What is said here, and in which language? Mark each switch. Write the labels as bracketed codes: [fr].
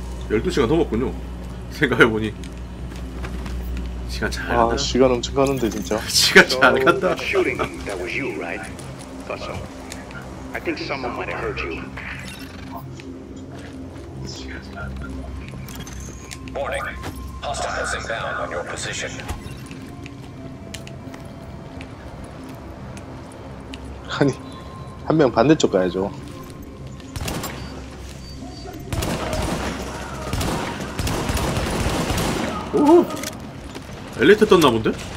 [ko] 12시간 넘었군요. 생각해보니 시간 잘 간다. 아, 시간 엄청 가는데 진짜. 시간 잘 간다. [en] Shooting, that was you, right? Thought so. I think someone might have heard you. Warning, hostiles inbound on your position. [ko] 아니, 한 명 반대쪽 가야죠. 오호. 엘리트 떴나 본데?